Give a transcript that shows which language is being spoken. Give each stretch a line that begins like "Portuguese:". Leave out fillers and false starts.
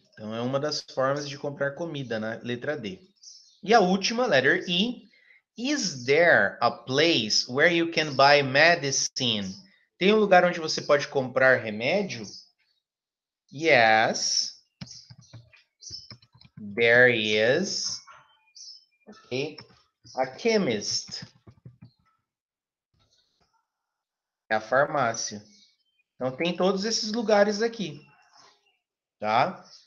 Portuguese: Então, é uma das formas de comprar comida na letra D. E a última,
English: letter E. Is there a place where you can buy medicine?
Portuguese: Tem um lugar onde você pode comprar remédio?
English: Yes. There is. Ok. A chemist.
Portuguese: É a farmácia. Então, tem todos esses lugares aqui, tá?